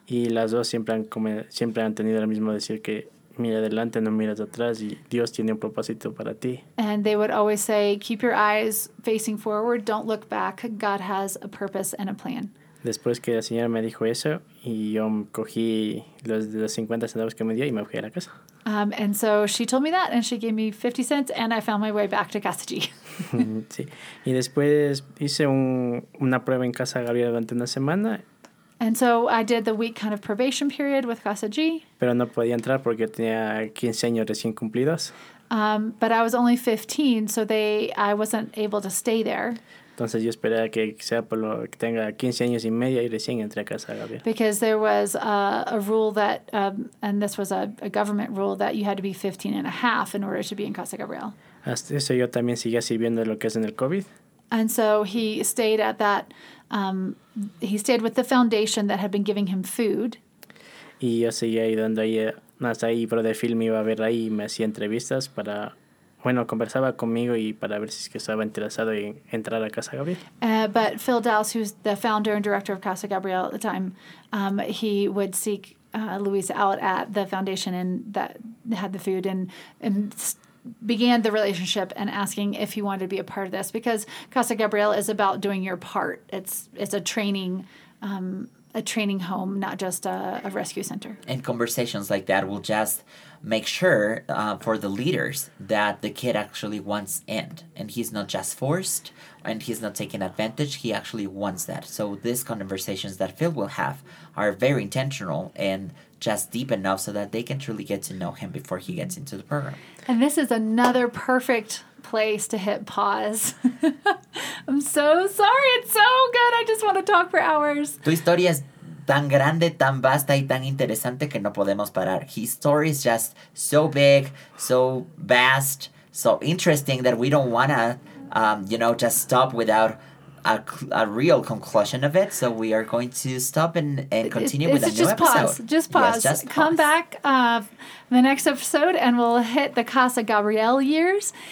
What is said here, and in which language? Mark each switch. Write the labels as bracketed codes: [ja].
[es] Y las dos siempre han tenido el mismo decir que mira adelante, no miras atrás, y Dios tiene un propósito para ti. [en] And they would always say, keep your eyes facing forward, don't look back, God has a purpose and a plan. [es] Después que la señora me dijo eso, y yo cogí los 50 centavos que me dio y me fui a la casa. [en] And so she told me that, and she gave me 50 cents, and I found my way back to Casa G. [es] Sí. Y después hice una prueba en Casa Gabriel durante una semana. [en] And so I did the week kind of probation period with Casa G. [es] Pero no podía entrar porque tenía 15 años recién cumplidos. [en] But I was only 15, so I wasn't able to stay there. [es] Entonces yo esperaba que sea por lo que tenga 15 años y medio y recién entré a Casa Gabriel. [en] Because there was a rule that, and this was a government rule, that you had to be 15 and a half in order to be in Casa Gabriel. [es] Hasta eso yo también seguía sirviendo lo que es en el COVID. [en] And so he stayed at that, he stayed with the foundation that had been giving him food. [es] Y yo seguía ayudando ahí, hasta ahí, pero de film iba a ver ahí y me hacía entrevistas para, bueno, conversaba conmigo y para ver si es que estaba interesado en entrar a Casa Gabriel. [en] But Phil Dowse, who's the founder and director of Casa Gabriel at the time, he would seek Luis out at the foundation and that had the food and began the relationship and asking if he wanted to be a part of this, because Casa Gabriel is about doing your part. It's a training home, not just a rescue center. And conversations like that will just make sure for the leaders that the kid actually wants in, and he's not just forced and he's not taking advantage. He actually wants that. So these conversations that Phil will have are very intentional and just deep enough so that they can truly get to know him before he gets into the program. And this is another perfect place to hit pause. I'm so sorry. It's so good. I just want to talk for hours. [es] Tu historia es tan grande, tan vasta y tan interesante que no podemos parar. [en] His story is just so big, so vast, so interesting that we don't want to, just stop without a real conclusion of it. So we are going to stop and continue with a new just episode. Just pause. Yes, just pause. Come back the next episode and we'll hit the Casa Gabriel years.